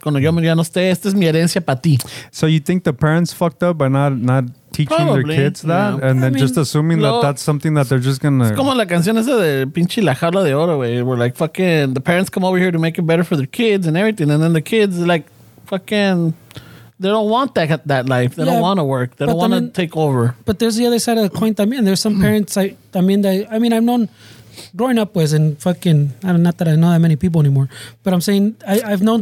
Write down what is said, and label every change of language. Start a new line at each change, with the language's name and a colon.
Spanish: Cuando yo ya no esté, esta es mi herencia para ti.
English: So you think the parents fucked up by not teaching probably, their kids that? Yeah. And then I mean, just assuming that that's something that they're just going to...
Spanish: Es como la canción esa de pinche la jarla de oro, güey.
English: We're like, fucking, the parents come over here to make it better for their kids and everything. And then the kids, like, fucking, they don't want that life. They don't want to work. They don't want to take over. But there's the other side of the coin también. There's some parents, I've known... Growing up was in fucking, I don't, not that I know that many people anymore, but I'm saying I've known.